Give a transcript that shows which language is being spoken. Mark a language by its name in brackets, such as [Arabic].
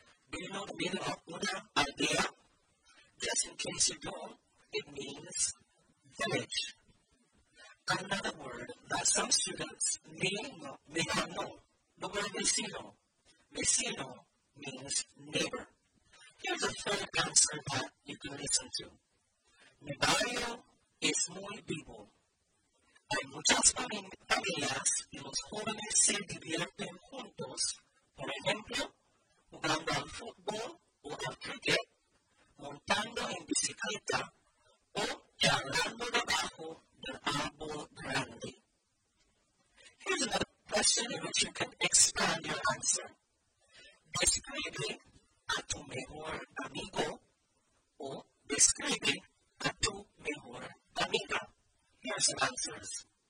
[English] Do you know the meaning of una aldea? Just in case you don't, it means village. Another word that some students may not know, the word vecino. Vecino means neighbor. Here's a third answer that you can listen to. [Spanish] Mi barrio es muy vivo. Hay muchas familias y los jóvenes se divierten juntos. Por ejemplo, jugando al fútbol o al cricket, montando en bicicleta o charlando debajo del árbol grande. [English] Here's another question in which you can expand your answer. [Spanish] Describe a tu mejor amigo o describe a tu mejor amiga. [English] Here's the answers.